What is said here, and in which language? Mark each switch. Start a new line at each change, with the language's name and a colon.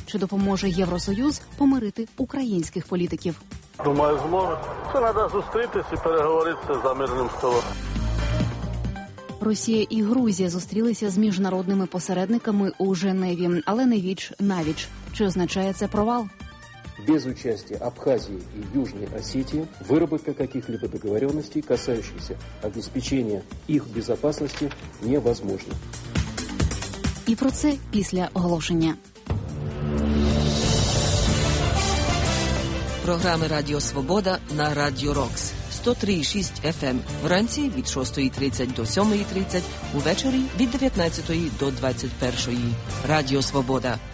Ukrainian: Чи допоможе Євросоюз помирити українських політиків? Думаю, зможуть. Це треба зустрітися і переговоритися за мирним столом. Росія і Грузія зустрілися з міжнародними посередниками у Женеві. Але не віч на віч. Чи означає це провал?
Russian: Без участия Абхазии и Южной Осетии выработка каких-либо договоренностей, касающихся обеспечения их безопасности, невозможна.
Ukrainian: И про це після оголошення. Програми Радіо Свобода на Радіо Рокс 103.6 FM. Вранці від 6:30 до 7:30, увечері від 19:00 до 21:00. Радіо Свобода.